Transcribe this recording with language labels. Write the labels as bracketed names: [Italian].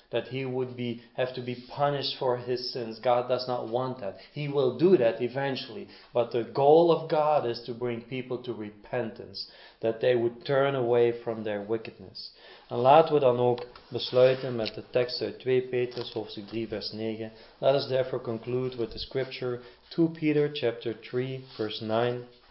[English] that he would be have to be punished for his sins. God does not want that. He will do that eventually. But the goal of God is to bring people to repentance, that they would turn away from their wickedness. [Dutch] En laten we dan ook besluiten met de tekst uit 2 Petrus hoofdstuk 3 vers 9. [English] Let us therefore conclude with the scripture 2 Peter chapter 3 verse 9.